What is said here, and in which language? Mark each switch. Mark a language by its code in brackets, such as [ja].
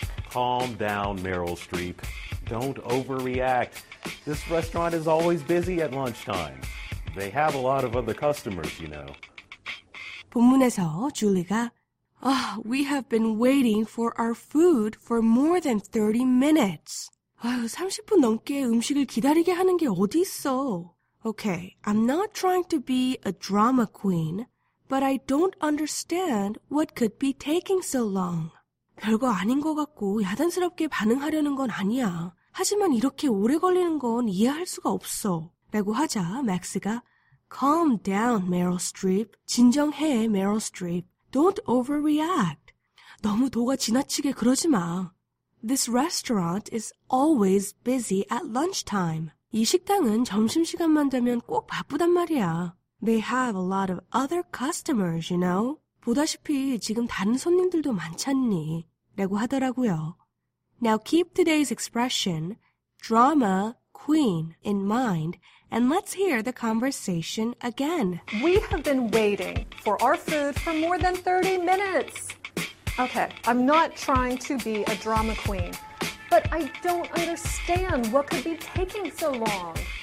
[en] Calm down, Meryl Streep. Don't overreact. This restaurant is always busy at lunchtime. They have a lot of other customers, you know. [ko] 본문에서 줄리가 [en] oh, We have been waiting for our food for more than 30 minutes. [ko] 30분 넘게 음식을 기다리게 하는 게 어디 있어? [en] Okay, I'm not trying to be a drama queen, but I don't understand what could be taking so long. [ko] 별거 아닌 것 같고 야단스럽게 반응하려는 건 아니야. 하지만 이렇게 오래 걸리는 건 이해할 수가 없어. 라고 하자 맥스가 [en] Calm down, Meryl Streep. [ko] 진정해, [en] Meryl Streep. Don't overreact. [ko] 너무 도가 지나치게 그러지 마. [en] This restaurant is always busy at lunchtime. [ko] 이 식당은 점심시간만 되면 꼭 바쁘단 말이야. [en] They have a lot of other customers, you know. [ko] 보다시피 지금 다른 손님들도 많잖니. 라고 하더라고요. [en] Now keep today's expression, drama queen, in mind, And let's hear the conversation again. We have been waiting for our food for more than 30 minutes. Okay, I'm not trying to be a drama queen, but I don't understand what could be taking so long.